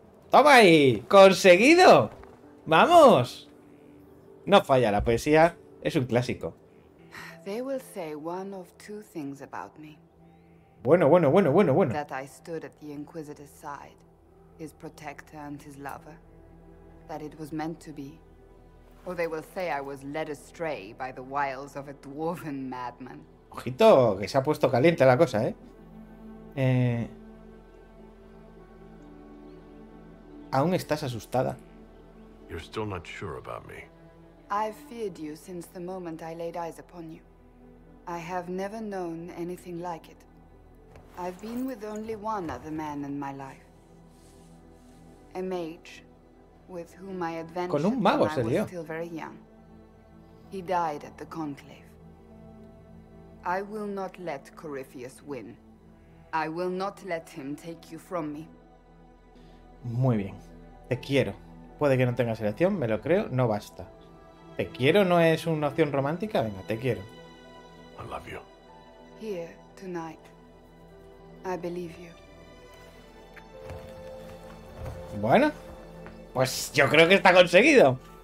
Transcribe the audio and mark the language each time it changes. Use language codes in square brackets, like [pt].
[es] ¡Toma ahí! ¡Conseguido! ¡Vamos! No falla, la poesía es un clásico. [en] They will say one of two things about me. [es] Bueno. [en] That I stood at the Inquisitor's side, his protector and his lover. That it was meant to be. Or they will say I was led astray by the wiles of a dwarven madman. [es] Ojito, que se ha puesto caliente la cosa, ¿eh? ¿Aún estás asustada? [en] You're still not sure about me. I've feared you since the moment I laid eyes upon you. I have never known anything like it. I've been with only one other man in my life. A mage with whom I adventured. [es] Con un mago se lió. [en] I was still very young. He died at the conclave. I will not let Corypheus win. I will not let him take you from me. [es] Muy bien. Te quiero. Puede que no tengas elección, me lo creo, no basta. ¿Te quiero no es una opción romántica? Venga, te quiero. [en] I love you. Here, tonight. I believe you. [es] Bueno, pues yo creo que está conseguido.